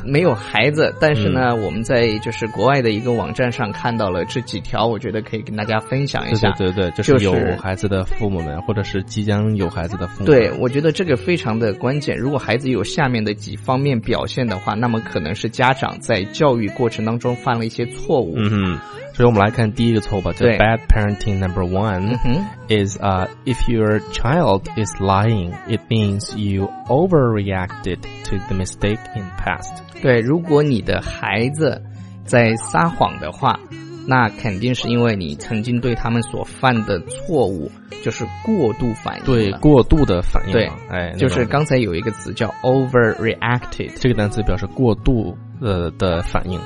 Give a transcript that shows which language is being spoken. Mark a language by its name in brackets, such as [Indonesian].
[Chinese] 没有孩子，但是呢、我们在就是国外的一个网站上看到了这几条，我觉得可以跟大家分享一下。对对对，就是有孩子的父母们、或者是即将有孩子的父母们。对，我觉得这个非常的关键，如果孩子有下面的几方面表现的话，那么可能是家长在教育过程当中犯了一些错误。所以我们来看第一个错误吧，就是 [English] bad parenting number one、is if your child is lying, it means you overreacted to the mistake in past. [Chinese] 对，如果你的孩子在撒谎的话，那肯定是因为你曾经对他们所犯的错误就是过度反应。对，过度的反应。对、哎、就是刚才有一个词叫 overreacted，这个单词表示过度的反应。